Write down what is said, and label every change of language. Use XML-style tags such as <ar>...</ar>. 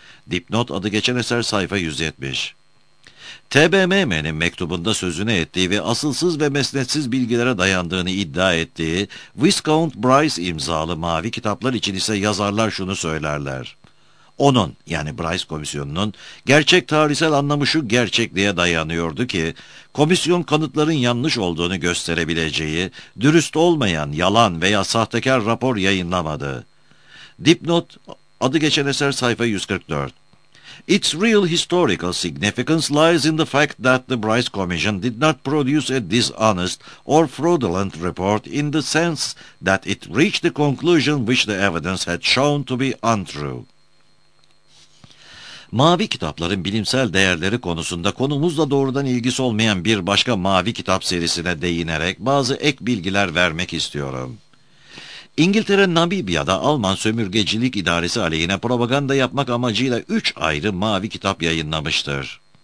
<tr>Dipnot adı geçen eser sayfa 170. TBMM'nin mektubunda sözüne ettiği ve asılsız ve mesnetsiz bilgilere dayandığını iddia ettiği Viscount Bryce imzalı mavi kitaplar için ise yazarlar şunu söylerler. Onun, yani Bryce komisyonunun, gerçek tarihsel anlamı şu gerçekliğe dayanıyordu ki, komisyon kanıtların yanlış olduğunu gösterebileceği, dürüst olmayan, yalan veya sahtekar rapor yayınlamadı. Dipnot, adı geçen eser sayfa 144.</tr> <en>Its real historical significance lies in the fact that the Bryce Commission did not produce a dishonest or fraudulent report in the sense that it reached the conclusion which the evidence had shown to be untrue.</en> <tr>Mavi kitapların bilimsel değerleri konusunda konumuzla doğrudan ilgisi olmayan bir başka mavi kitap serisine değinerek bazı ek bilgiler vermek istiyorum. İngiltere, Namibya'da Alman sömürgecilik idaresi aleyhine propaganda yapmak amacıyla 3 ayrı mavi kitap yayınlamıştır.</tr>